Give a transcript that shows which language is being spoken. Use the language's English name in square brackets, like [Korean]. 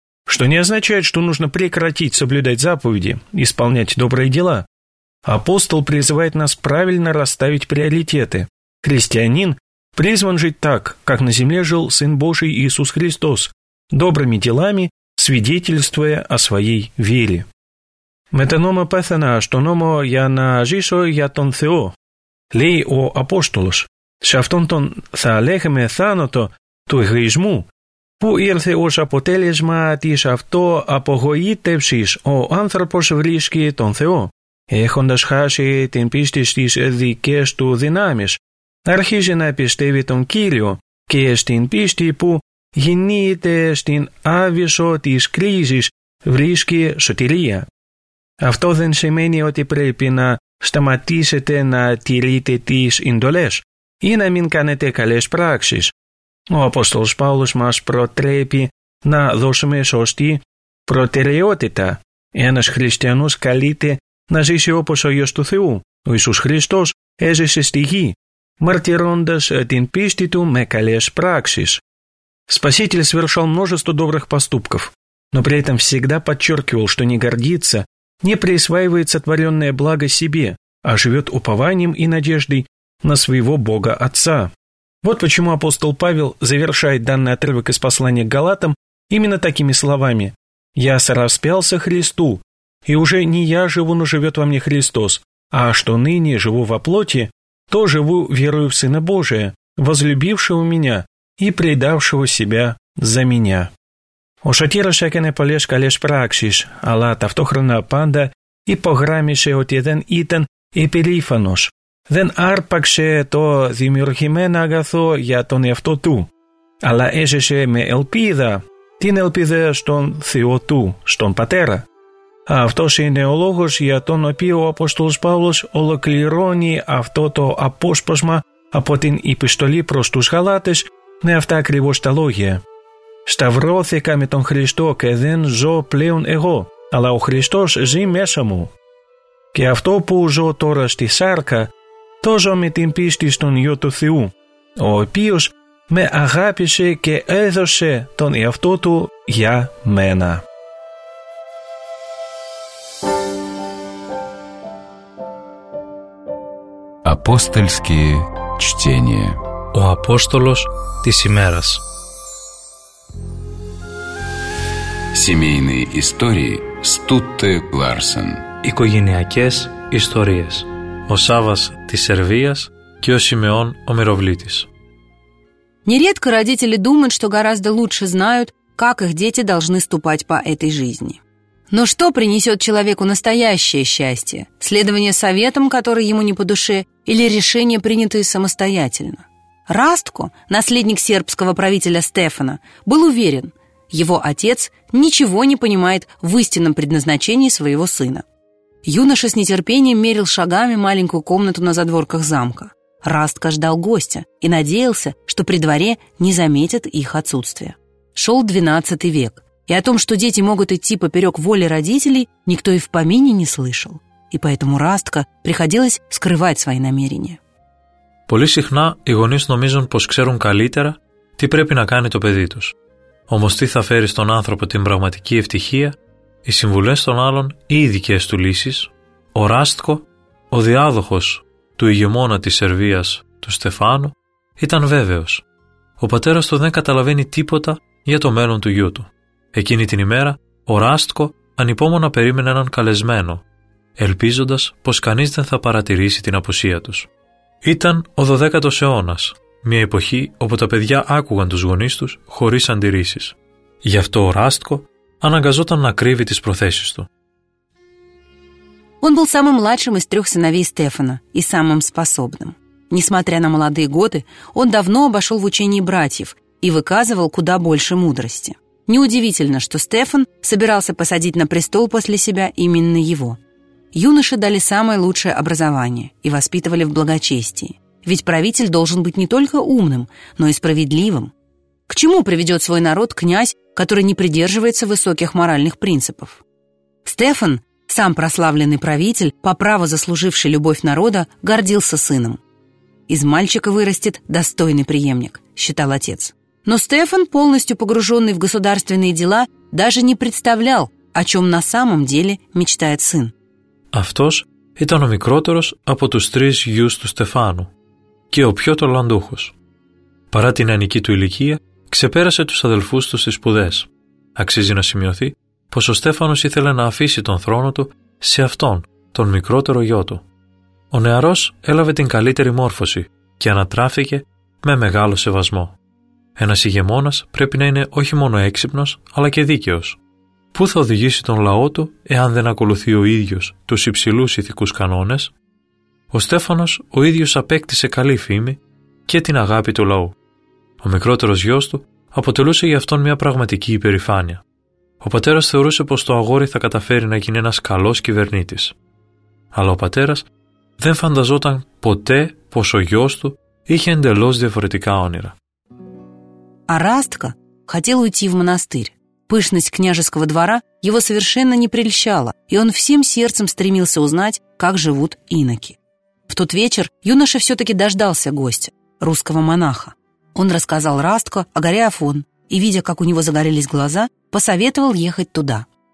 [Russian] Что не означает, что нужно прекратить соблюдать заповеди, исполнять добрые дела. Апостол призывает нас правильно расставить приоритеты. Христианин призван жить так, как на земле жил Сын Божий Иисус Христос, добрыми делами, свидетельствуя о своей вере. Метаномо пэθαινα, что номо я на [Greek] ζήσω για τον Θεό, λέει ο Απόστολος, σε αυτόν τον θα λέγαμε θάνατο του εγωισμού, που ήρθε ως αποτέλεσμα της αυτοαπογοήτευσης ο άνθρωπος βρίσκει τον Θεό, έχοντας χάσει την πίστη στις δικές του δυνάμεις, αρχίζει να πιστεύει τον Κύριο και στην πίστη που γεννείται στην άβυσσο της κρίσης βρίσκει σωτηρία. Αυτό δεν σημαίνει ότι πρέπει να σταματήσετε να τηρείτε τις εντολές ή να μην κάνετε καλές πράξεις. Ο Απόστολος Παύλος μας προτρέπει να δώσουμε σωστή προτεραιότητα. Ένας χριστιανός καλείται να ζήσει όπως ο Υιός του Θεού. Ο Ιησούς Χριστός έζησε στη γη, μαρτυρώντας την πίστη του με καλές πράξεις. [Russian] Спаситель совершал множество добрых поступков, но при этом всегда подчеркивал, что не гордится, не присваивает сотворенное благо себе, а живет упованием и надеждой на своего Бога Отца. Вот почему апостол Павел завершает данный отрывок из послания к Галатам именно такими словами: «Я сораспялся Христу, и уже не я живу, но живет во мне Христос, а что ныне живу во плоти, то живу верою в Сына Божия, возлюбившего меня и предавшего себя за меня». [Greek] Ο σωτήρος έκανε πολλές καλές πράξεις, αλλά ταυτόχρονα πάντα υπογράμμισε ότι δεν ήταν υπερήφανος. Δεν άρπαξε το δημιουργημένο αγαθό για τον εαυτό του, αλλά έζησε με ελπίδα, την ελπίδα στον Θεό του, στον Πατέρα. Αυτός είναι ο λόγος για τον οποίο ο Απόστολος Παύλος ολοκληρώνει αυτό το απόσπασμα από την επιστολή προς τους Γαλάτες με αυτά ακριβώς τα λόγια. «Σταυρώθηκα με τον Χριστό και δεν ζω πλέον εγώ, αλλά ο Χριστός ζει μέσα μου. Και αυτό που ζω τώρα στη σάρκα, το ζω με την πίστη στον Υιό του Θεού, ο οποίος με αγάπησε και έδωσε τον εαυτό του για μένα». [Russian] Апостольские чтения. [Greek] Ο Апόστολος της ημέρας. [Russian] Семейные истории Стутте Ларсен. [Greek] Οικογενειακές ιστορίες. Ο Σάββας της Σερβίας και ο Σιμεών ο Μυροβλήτης. [Russian] Нередко родители думают, что гораздо лучше знают, как их дети должны ступать по этой жизни. Но что принесет человеку настоящее счастье? Следование советам, которые ему не по душе, или решения, принятые самостоятельно? Растко, наследник сербского правителя Стефана, был уверен, его отец ничего не понимает в истинном предназначении своего сына. Юноша с нетерпением мерил шагами маленькую комнату на задворках замка. Растко ждал гостя и надеялся, что при дворе не заметят их отсутствие. Шел 12 век. И о том, что дети могут идти поперек воли родителей, никто и в помине не слышал. И поэтому Растко приходилось скрывать свои намерения. [Greek] Πολύ συχνά οι γονείς νομίζουν πως ξέρουν καλύτερα τι πρέπει να κάνει το παιδί τους. Όμως τι θα φέρει στον άνθρωπο την πραγματική ευτυχία, οι συμβουλές των άλλων ή οι δικές του λύσεις, ο Ράστκο, ο διάδοχος του ηγεμόνα της Σερβίας, του Στεφάνου, ήταν βέβαιος. Ο πατέρας του δεν καταλαβαίνει τίποτα για το μέλλον του γιού του. Εκείνη την ημέρα, ο Ράστκο ανυπόμονα περίμενε έναν καλεσμένο, ελπίζοντας πως κανείς δεν θα παρατηρήσει την απουσία τους. Ήταν ο 12ος αιώνας, μια εποχή όπου τα παιδιά άκουγαν τους γονείς τους χωρίς αντιρρήσεις. Γι' αυτό ο Ράστκο αναγκαζόταν να κρύβει τις προθέσεις του. [Russian] Он был самым младшим из трех сыновей Стефана и самым способным. Несмотря на молодые годы, он давно обошел в учении братьев и выказывал куда больше мудрости. Неудивительно, что Стефан собирался посадить на престол после себя именно его. Юноше дали самое лучшее образование и воспитывали в благочестии. Ведь правитель должен быть не только умным, но и справедливым. К чему приведет свой народ князь, который не придерживается высоких моральных принципов? Стефан, сам прославленный правитель, по праву заслуживший любовь народа, гордился сыном. Из мальчика вырастет достойный преемник, считал отец. Но Стефан, полностью погруженный в государственные дела, даже не представлял, о чем на самом деле мечтает сын. [Greek] Автос ήταν ο μικρότερος από τους τρεις γιους του Στεφάνου και ο πιο ταλαντούχος. Παρά την ανική του ηλικία, ξεπέρασε τους αδελφούς του στις σπουδές. Αξίζει να σημειωθεί πως ο Στέφανος ήθελε να αφήσει τον θρόνο του σε αυτόν, τον μικρότερο γιο του. Ο νεαρός έλαβε την καλύτερη μόρφωση και ανατράφηκε με μεγάλο σεβασμό. Ένας ηγεμόνας πρέπει να είναι όχι μόνο έξυπνος, αλλά και δίκαιος. Πού θα οδηγήσει τον λαό του, εάν δεν ακολουθεί ο ίδιος τους υψηλούς ηθικούς κανόνες? Ο Στέφανος ο ίδιος απέκτησε καλή φήμη και την αγάπη του λαού. Ο μικρότερος γιος του αποτελούσε για αυτόν μια πραγματική υπερηφάνεια. Ο πατέρας θεωρούσε πως το αγόρι θα καταφέρει να γίνει ένας καλός κυβερνήτης. Αλλά ο πατέρας δεν φανταζόταν ποτέ πως ο γιος του είχε εντελώς διαφορετικά όνειρα. [Russian] Αράστκα, хотел уйти в монастырь. Пышность княжеского двора его совершенно не прельщала, и он всем сердцем стремился узнать, как живут иноки. В тот вечер юноша все-таки дождался гостя, русского монаха. Он рассказал Растко о горе Афон, и, видя, как у него загорелись глаза, посоветовал ехать туда.